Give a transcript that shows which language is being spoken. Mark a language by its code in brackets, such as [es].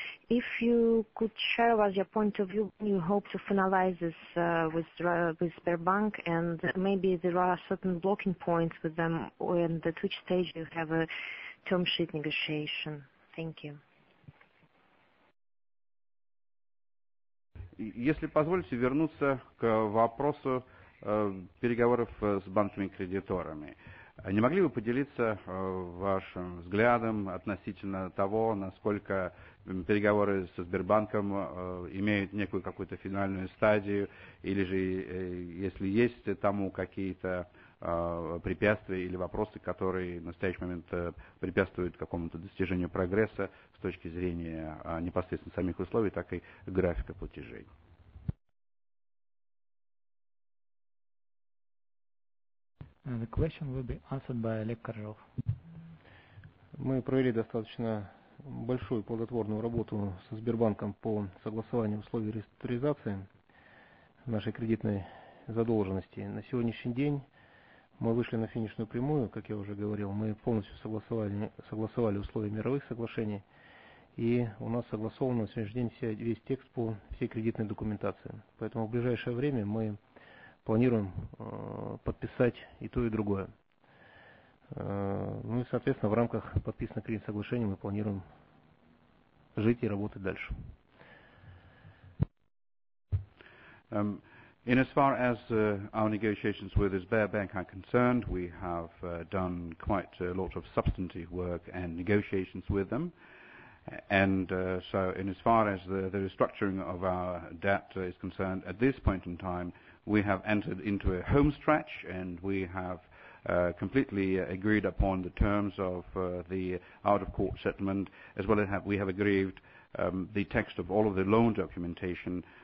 [en] If you could share with us your point of view, you hope to finalize this with Sberbank, and maybe there are certain blocking points with them, or in the which stage you have a term sheet negotiation. Thank you. [ru] Если позволите вернуться к вопросу переговоров с банками-кредиторами. Не могли бы поделиться вашим взглядом относительно того, насколько переговоры со Сбербанком имеют некую какую-то финальную стадию, или же если есть тому какие-то препятствия или вопросы, которые в настоящий момент препятствуют какому-то достижению прогресса с точки зрения непосредственно самих условий, так и графика платежей. [en] And the question will be answered by Oleg Karzhov. [ru] Мы провели достаточно большую плодотворную работу со Сбербанком по согласованию условий реструктуризации нашей кредитной задолженности. На сегодняшний день мы вышли на финишную прямую, как я уже говорил, мы полностью согласовали условия мировых соглашений, и у нас согласован на сегодняшний день весь текст по всей кредитной документации. Поэтому в ближайшее время мы планируем подписать и то, и другое. Ну и, соответственно, в рамках подписанного кредитного соглашения мы планируем жить и работать дальше. [en] In as far as our negotiations with Sberbank are concerned, we have done quite a lot of substantive work and negotiations with them. And so in as far as the restructuring of our debt is concerned, at this point in time, we have entered into a home stretch, and we have completely agreed upon the terms of the out-of-court settlement, as well as we have agreed the text of all of the loan documentation.